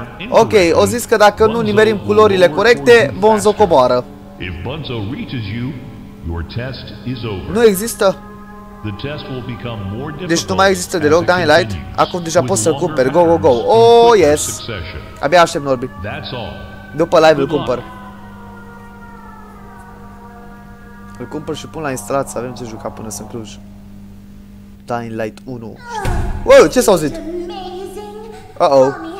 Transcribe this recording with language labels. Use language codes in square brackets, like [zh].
[ro] Ok, o zis că dacă nu nimerim culorile corecte, Bonzo coboară. [en] If Bonzo reaches you, your test is over. [ro] Nu există. [en] The test will become more difficult. [ro] Deci nu mai există deloc Dying Light. Acum deja poți să-l cumperi. [en] Go, go, go. Oh, yes. [ro] Abia aștept, Norbi. După live-ul cumpăr. Îl cumpăr și pun la instalat să avem ce juca până să-mi Cluj. Dying Light 1. Wow, ce s-a auzit? Uh-oh.